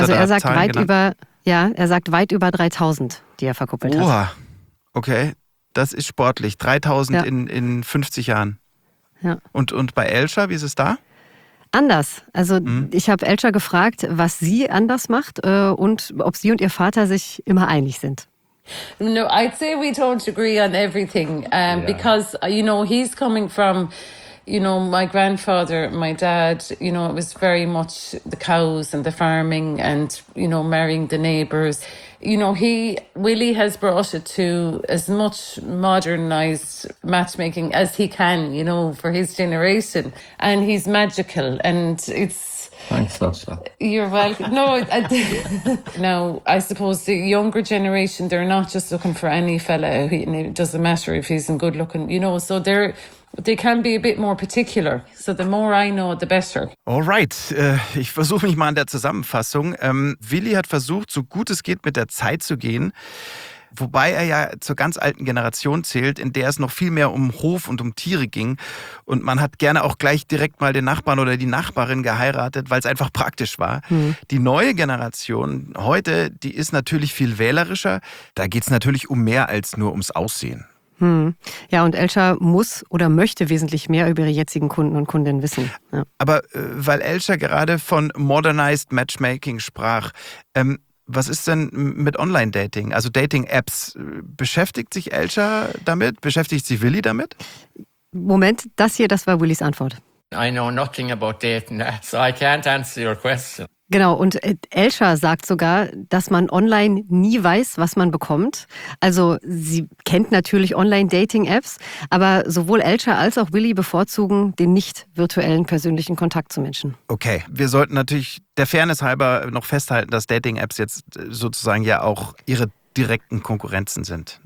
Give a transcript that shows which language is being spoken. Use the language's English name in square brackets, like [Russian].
[German] also er sagt weit über 3000, die er verkuppelt hat. Oha, okay, das ist sportlich. 3000 in 50 Jahren. Ja. Und bei Elsa, wie ist es da? Anders. Also ich habe Elsa gefragt, was sie anders macht und ob sie und ihr Vater sich immer einig sind. [English] No, I'd say we don't agree on everything because, you know, he's coming from, you know, my grandfather, my dad, you know, it was very much the cows and the farming and, you know, marrying the neighbors. You know, Willie has brought it to as much modernized matchmaking as he can, you know, for his generation. And he's magical. And it's... Thanks, Elsa. You're welcome. No, now, I suppose the younger generation, they're not just looking for any fella. And it doesn't matter if he's in good looking, you know, so they're... They can be a bit more particular. So the more I know, the better. All right. [German] Ich versuche mich mal an der Zusammenfassung. Willi hat versucht, so gut es geht, mit der Zeit zu gehen. Wobei er ja zur ganz alten Generation zählt, in der es noch viel mehr um Hof und um Tiere ging. Und man hat gerne auch gleich direkt mal den Nachbarn oder die Nachbarin geheiratet, weil es einfach praktisch war. Die neue Generation heute, die ist natürlich viel wählerischer. Da geht es natürlich um mehr als nur ums Aussehen. Ja, und Elsa muss oder möchte wesentlich mehr über ihre jetzigen Kunden und Kundinnen wissen. Ja. Aber weil Elsa gerade von [English] modernized matchmaking [German] sprach, was ist denn mit Online-Dating, also Dating-Apps? Beschäftigt sich Elsa damit? Beschäftigt sich Willi damit? Moment, das war Willis Antwort. [English] I know nothing about dating, so I can't answer your question. [German] Genau, und Elsa sagt sogar, dass man online nie weiß, was man bekommt. Also sie kennt natürlich Online-Dating-Apps, aber sowohl Elsa als auch Willi bevorzugen den nicht virtuellen persönlichen Kontakt zu Menschen. Okay, wir sollten natürlich der Fairness halber noch festhalten, dass Dating-Apps jetzt sozusagen ja auch ihre direkten Konkurrenzen sind.